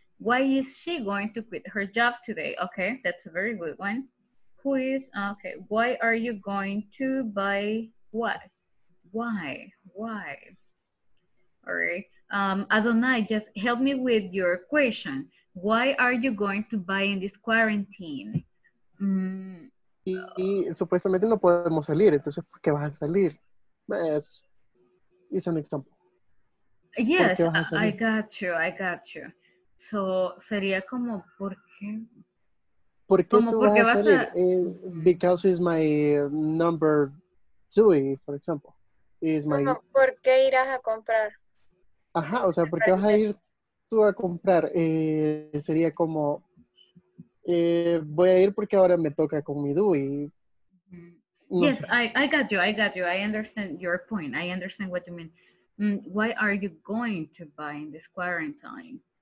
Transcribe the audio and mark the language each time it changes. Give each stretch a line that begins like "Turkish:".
English: Why is she going to quit her job today? Okay, that's a very good one. Who is, okay, why are you going to buy what? Why? All right. Adonai, just help me with your question. Why are you going to buy in this quarantine?
Spanish: Y supuestamente no podemos salir, entonces ¿por qué vas a salir? Es un ejemplo.
English: Yes, I got you.
Spanish: So sería como ¿por qué vas a salir?
English: Because it's my number two, for example.
Spanish: ¿Por qué irás a comprar? Ajá, o sea, ¿por qué vas a ir tú a comprar? Sería como, voy a ir porque ahora me toca con mi Dewey.
English: I got you. I understand your point. I understand what you mean. Why are you going to buy in this quarantine?